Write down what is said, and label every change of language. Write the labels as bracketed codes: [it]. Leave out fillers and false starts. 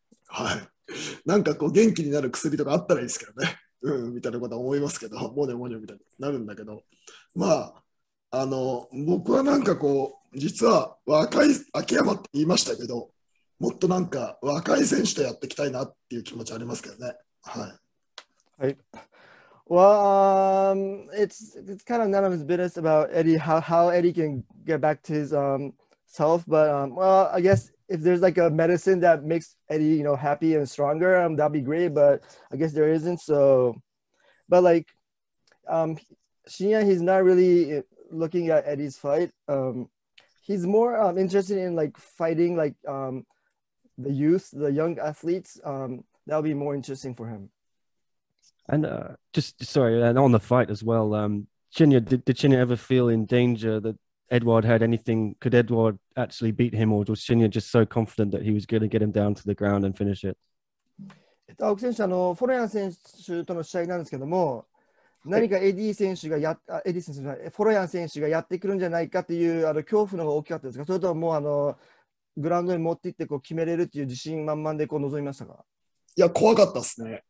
[ja] はい、なんかこう元気になる薬とかあったらいいですけどね。うん、みたいなことは思いますけど、モニョモニョみたいになるんだけど、まあ僕はなんかこう実は若い秋山って言いましたけど、もっとなんか若い選手とやっていきたいなっていう気持ちありますけどね。はい。はい。 [en] Well, it's kind of none of his business about Eddie, how Eddie can get back to his self, but well, I guess if there's like a medicine that makes Eddie, you know, happy and stronger, that'd be great, but I guess there isn't. So, but like, Shinya, he's not really looking at Eddie's fight. He's more interested in like fighting like the youth, the young athletes. That'll be more interesting for him. And and on the fight as well, Shinya, did Shinya ever feel in danger that Eduard had anything? Could Eduard actually beat him, or was Shinya just so confident that he was going to get him down to the ground and finish it? [ja] 青木選手、フォロヤン選手との試合なんですけども、何かエディ選手がエディ選手じゃない、フォロヤン選手がやってくるんじゃないかっていう恐怖の方が大きかったですか、それとももうグラウンドに持っていってこう決めれるっていう自信満々でこう臨みましたか？いや、怖かったですね。